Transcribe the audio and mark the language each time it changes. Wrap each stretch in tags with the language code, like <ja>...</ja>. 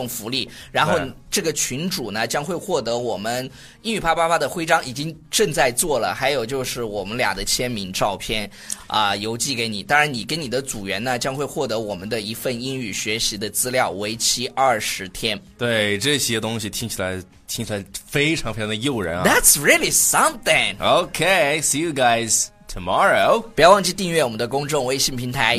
<zh>送福利，然后这个群主呢将会获得我们英语啪啪啪的徽章，已经正在做了，还有就是我们俩的签名照片邮寄给你。当然你跟你的组员呢将会获得我们的一份英语学习的资料，为期20天。对，这些东西听起来非常非常的诱人啊。</zh> <en>That's really something. OK, see you guys tomorrow.</en> <zh>不要忘记订阅我们的公众微信平台</zh>